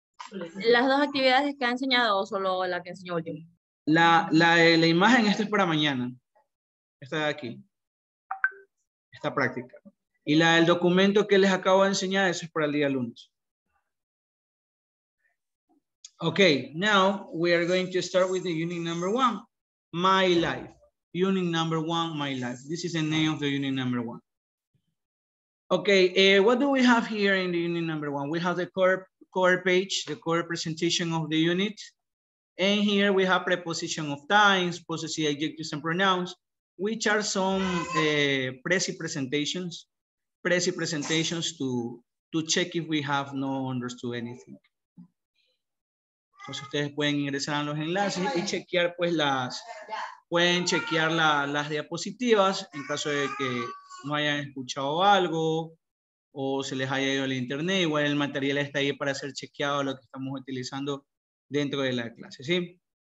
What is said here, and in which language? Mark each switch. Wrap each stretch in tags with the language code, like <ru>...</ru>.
<es>¿Las dos actividades que ha enseñado o solo la que enseñó yo? La imagen, esta es para mañana. Esta de aquí. Esta práctica. Y la del documento que les acabo de enseñar, eso es para el día lunes.</es> <en>Okay, now we are going to start with the unit number one, my life. Unit number one, my life. This is the name of the unit number one. Okay, what do we have here in the unit number one? We have the core page, the core presentation of the unit. And here we have preposition of times, possessive adjectives and pronouns, which are some presi presentations to check if we have no understood anything.</en> <es>Entonces ustedes pueden ingresar a los enlaces y chequear pues las diapositivas en caso de que no hayan escuchado algo o se les haya ido el internet. Igual el material está ahí para ser chequeado lo que estamos utilizando dentro de la clase, ¿sí?</es>